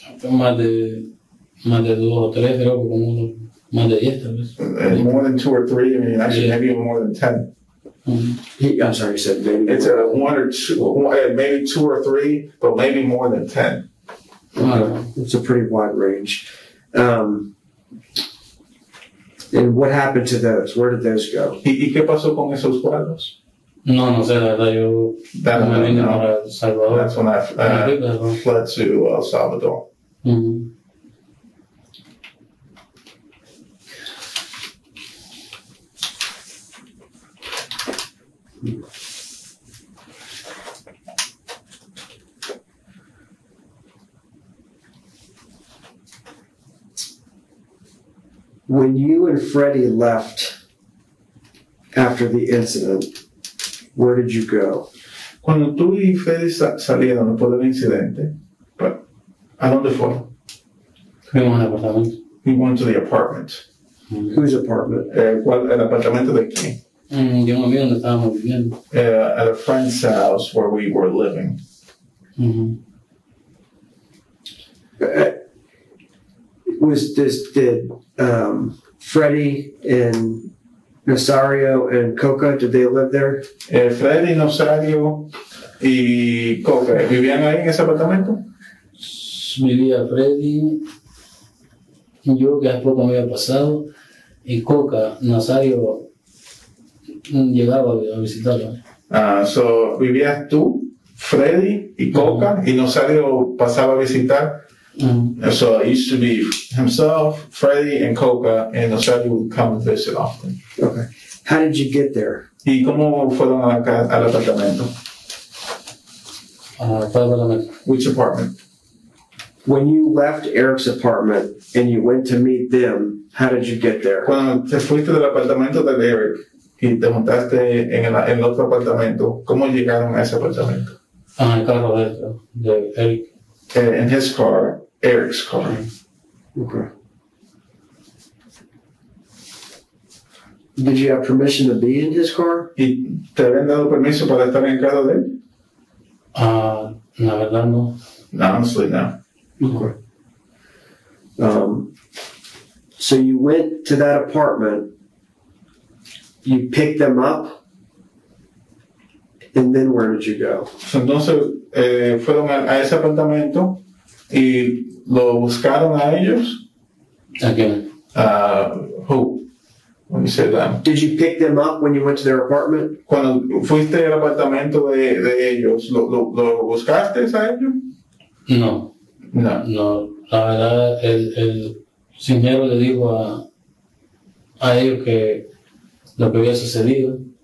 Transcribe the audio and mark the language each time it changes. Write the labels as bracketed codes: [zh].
[es] Más de dos o tres, creo que como uno. Más de diez, tal vez. [en] More than two or three, I mean, actually, maybe even more than 10. I'm sorry, you said maybe. It's a one or two, maybe two or three, but maybe more than 10. It's a pretty wide range. And what happened to those? Where did those go? [es] ¿Y qué pasó con esos cuadros? No sé, la verdad, yo... [en] That's when I fled to El Salvador. When you and Freddie left after the incident, where did you go? [es] Cuando tú y Freddy salieron después del incidente, ¿a dónde fue? Fuimos al apartamento. [en] We went to the apartment. Whose apartment? [es] El apartamento de quién? De un amigo donde estábamos viviendo. [en] At a friend's house where we were living. Did Freddy and Nazario and Coca, did they live there? [es] Freddy, Nazario y Coca, ¿vivían ahí en ese apartamento? Vivía Freddy, yo que después me había pasado, y Coca, Nazario, llegaba a visitarlo. So, ¿vivías tú, Freddy y Coca, y Nazario pasaba a visitar? [en] So it used to be himself, Freddy, and Coca, and Nazario would come and visit often. Okay. How did you get there? [es] ¿Y cómo fueron al apartamento? [en] Which apartment? When you left Eric's apartment and you went to meet them, how did you get there? [es] Cuando te fuiste del apartamento de Eric y te montaste en el otro apartamento, ¿cómo llegaron a ese apartamento? En el carro de Eric. [en] In his car, Eric's car. Okay. Did you have permission to be in his car? [es] ¿Y te habían dado permiso para estar en casa de él? La verdad, no. [en] Honestly, no. Okay. So you went to that apartment. You picked them up. And then where did you go? [es] So, entonces, fueron a ese apartamento y lo buscaron a ellos. [en] Again. Who? When you said that. Did you pick them up when you went to their apartment? [es] Cuando fuiste al apartamento de ellos, ¿lo buscaste a ellos? No. No. No. La verdad, el señor le dijo a ellos que lo que había sucedido.